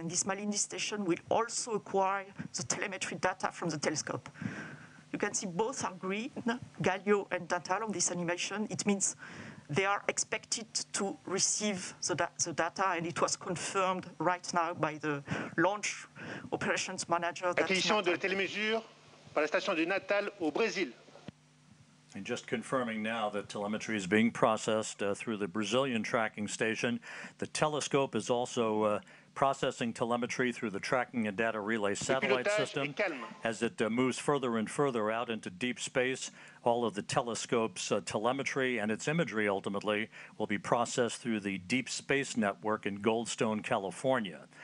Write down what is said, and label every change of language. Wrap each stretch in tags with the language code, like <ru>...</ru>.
<en>And this Malindi station will also acquire the telemetry data from the telescope. You can see both are green, Galio and Natal, on this animation. It means they are expected to receive the data, and it was confirmed right now by the launch operations manager.</en> <fr>Acquisition de télémesure par la station de Natal au Brésil.</fr> <en>And just confirming now that telemetry is being processed through the Brazilian tracking station. The telescope is also processing telemetry through the tracking and data relay satellite system. As it moves further and further out into deep space, all of the telescope's telemetry and its imagery ultimately will be processed through the deep space network in Goldstone, California.</en>